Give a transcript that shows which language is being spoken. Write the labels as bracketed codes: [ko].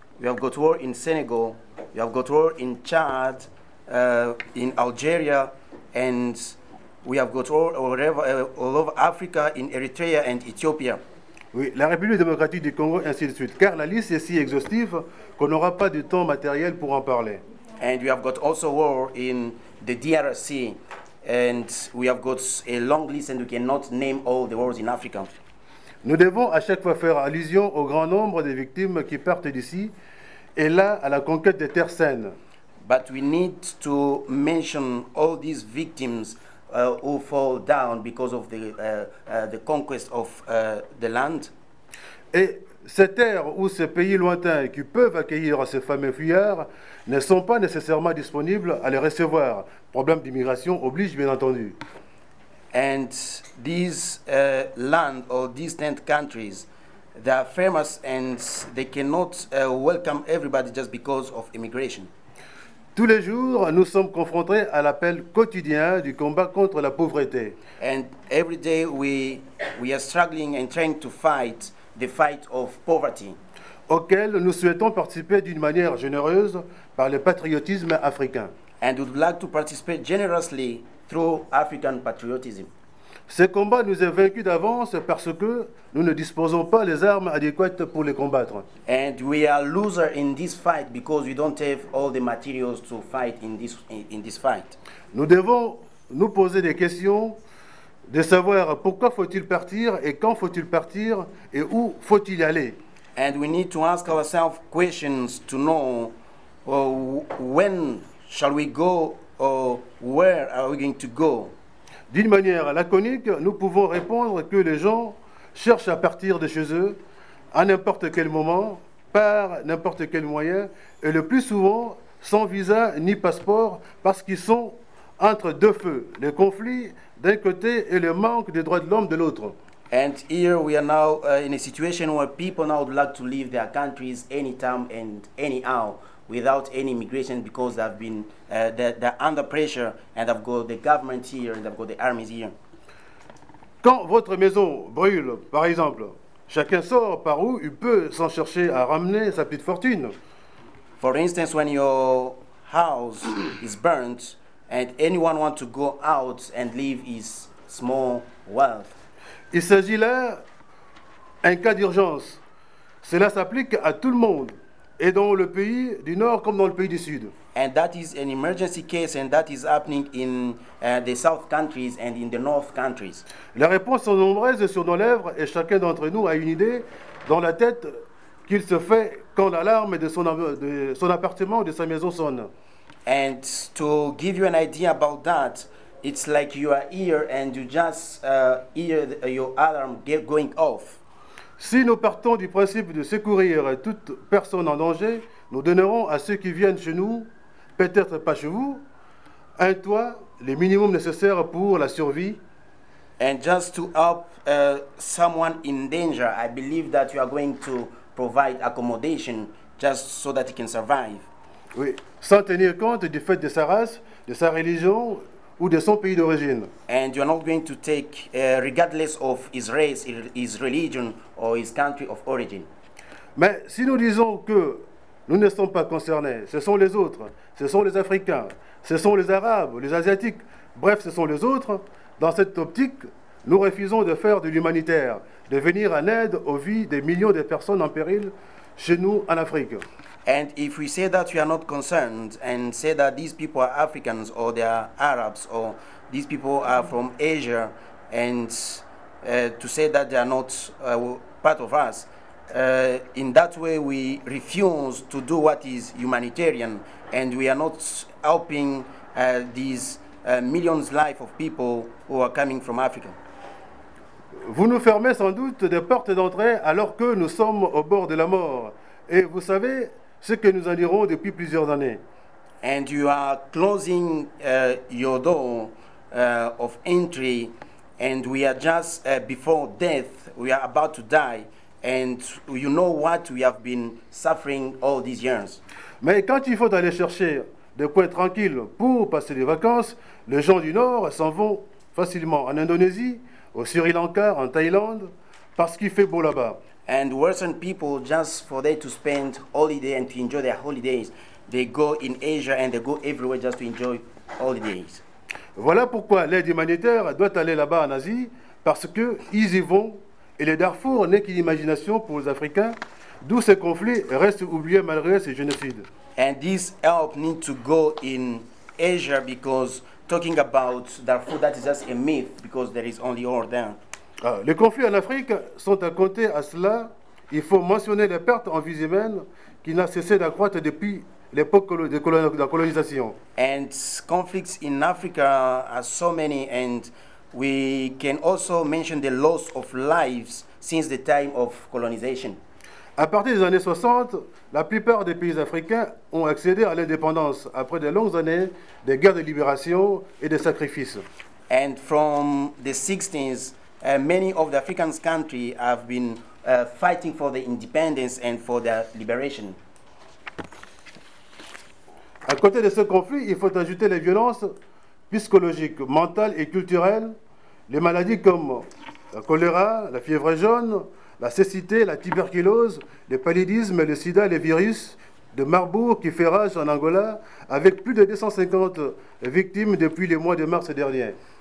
[en] We have got war in Senegal. We have got war in Chad, in Algeria, and we have got war all over Africa, in Eritrea and Ethiopia. [fr] Oui, la République démocratique du Congo, ainsi de suite. Car la liste est si exhaustive qu'on n'aura pas de temps matériel pour en parler. [en] And we have got also war in the DRC, and we have got a long list, and we cannot name all the wars in Africa. [fr] Nous devons à chaque fois faire allusion au grand nombre des victimes qui partent d'ici et là à la conquête des terres saines. [en] But we need to mention all these victims who fall down because of the conquest of the land. [fr] Et ces terres ou ces pays lointains qui peuvent accueillir ces fameux fuyards ne sont pas nécessairement disponibles à les recevoir. Problème d'immigration oblige, bien entendu. [en] And these land or distant countries, they are famous and they cannot welcome everybody just because of immigration. [fr] Tous les jours, nous sommes confrontés à l'appel quotidien du combat contre la pauvreté. [en] And every day we are struggling and trying to fight the fight of poverty. [fr] Auquel nous souhaitons participer d'une manière généreuse par le patriotisme africain. [en] And would like to participate generously through African patriotism. [fr] Ce combat nous est vaincu d'avance parce que nous ne disposons pas les armes adéquates pour les combattre. [en] And we are loser in this fight because we don't have all the materials to fight in this fight. [fr] Nous devons nous poser des questions de savoir pourquoi faut-il partir et quand faut-il partir et où faut-il y aller. [en] And we need to ask ourselves questions to know when shall we go or where are we going to go. [fr] D'une manière laconique, nous pouvons répondre que les gens cherchent à partir de chez eux à n'importe quel moment, par n'importe quel moyen, et le plus souvent sans visa ni passeport, parce qu'ils sont entre deux feux, le conflit d'un côté et le manque des droits de l'homme de l'autre. [en] And here we are now in a situation where people now would like to leave their countries anytime and anyhow without any immigration because they've been they're under pressure and they've got the government here and they've got the armies here. [fr] Quand votre maison brûle, par exemple, chacun sort par où il peut sans chercher à ramener sa petite fortune. [en] For instance, when your house is burnt and anyone wants to go out and leave his small wealth. [fr] Il s'agit là d'un cas d'urgence. Cela s'applique à tout le monde. Et dans le pays du nord comme dans le pays du sud. [en] And that is an emergency case and that is happening in the south countries and in the north countries. [fr] Les réponses sont nombreuses sur nos lèvres et chacun d'entre nous a une idée dans la tête qu'il se fait quand l'alarme de son appartement ou de sa maison sonne. [en] And to give you an idea about that, it's like you are here and you just hear your alarm going off. [fr] Si nous partons du principe de secourir toute personne en danger, nous donnerons à ceux qui viennent chez nous, peut-être pas chez vous, un toit, les minimums nécessaires pour la survie. [en] And just to help someone in danger, I believe that you are going to provide accommodation just so that he can survive. [fr] Oui, sans tenir compte du fait de sa race, de sa religion ou de son pays d'origine. [en] And you're not going to take, regardless of his race, his religion, or his country of origin. [fr] Mais si nous disons que nous ne sommes pas concernés, ce sont les autres, ce sont les Africains, ce sont les Arabes, les Asiatiques, bref, ce sont les autres, dans cette optique, nous refusons de faire de l'humanitaire, de venir en aide aux vies des millions de personnes en péril chez nous en Afrique. [en] And if we say that we are not concerned and say that these people are Africans or they are Arabs or these people are from Asia and to say that they are not part of us, in that way we refuse to do what is humanitarian and we are not helping these millions of lives of people who are coming from Africa. [fr] Vous nous fermez sans doute des portes d'entrée alors que nous sommes au bord de la mort et vous savez ce que nous en dirons depuis plusieurs années. [en] And you are closing your door of entry, and we are just before death, we are about to die, and you know what we have been suffering all these years. [fr] Mais quand il faut aller chercher des coins tranquilles pour passer les vacances, les gens du Nord s'en vont facilement en Indonésie, au Sri Lanka, en Thaïlande, parce qu'il fait beau là-bas. [en] And Western people, just for them to spend holiday and to enjoy their holidays, they go in Asia and they go everywhere just to enjoy holidays. [fr] Voilà pourquoi l'aide humanitaire doit aller là-bas en Asie, parce que ils y vont et le Darfour n'est qu'une imagination pour les Africains, d'où ces conflits restent oubliés malgré ces génocides. [en] And this help needs to go in Asia because talking about Darfour, that is just a myth because there is only war there. [fr] Les conflits en Afrique sont à compter à cela. Il faut mentionner les pertes en vies humaines qui n'ont cessé d'accroître depuis l'époque de la colonisation. [en] And conflicts in Africa are so many, and we can also mention the loss of lives since the time of colonization. [fr] À partir des années 60, la plupart des pays africains ont accédé à l'indépendance après de longues années de guerres de libération et de sacrifices. [en] And from the 60s, many of the African countries have been fighting for their independence and for their liberation. [fr] À côté de ce conflit, il faut ajouter les violences psychologiques, mentales et culturelles, les maladies comme la choléra, la fièvre jaune, la cécité, la tuberculose, le paludisme, le sida, les virus de Marburg qui fait rage en Angola, avec plus de 250 victimes depuis le mois de mars dernier.